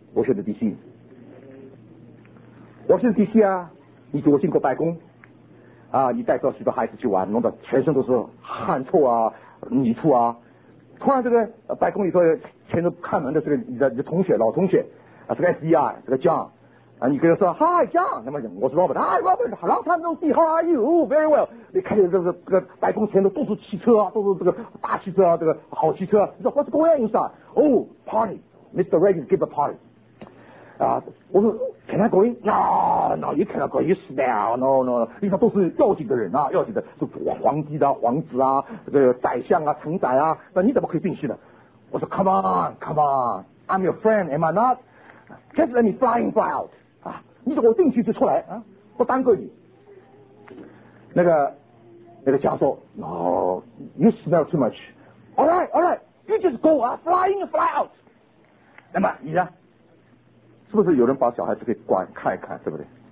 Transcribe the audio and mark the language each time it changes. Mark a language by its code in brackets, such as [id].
[zh] Washington DC， Washington DC 啊，你如果经过白宫啊，你带着许多孩子去玩，弄得全身都是汗臭啊泥臭啊，突然这个白宫里头前头看门的这个你的同学老同学啊，这个 FBI 这个 John 啊，你跟他说 [en] Hi John， [zh] 那么我是 Robert， [en] Hi Robert， long time no see， how are you， very well， [zh] 你看见这个白宫前头都是汽车啊，都是这个大汽车啊，这个好汽车，你说 [en] What's going on inside？ Oh party， Mr. Reagan give a party啊， [zh] 我说 [en] Can I go in？ No no you cannot go in， you smell， no no， [zh] 因为都是要紧的人啊，要紧的是皇帝啊，皇子啊，这个宰相啊，臣宰啊，那你怎么可以进去呢？我说 [en] Come on come on， I'm your friend am I not， just let me fly in fly out 啊， [zh] 你说我进去就出来啊，不耽搁你。那个教授 [en] No you smell too much， alright alright you just go fly in fly out， [zh] 那么你呢，是不是有人把小孩子给管看一看，对不对？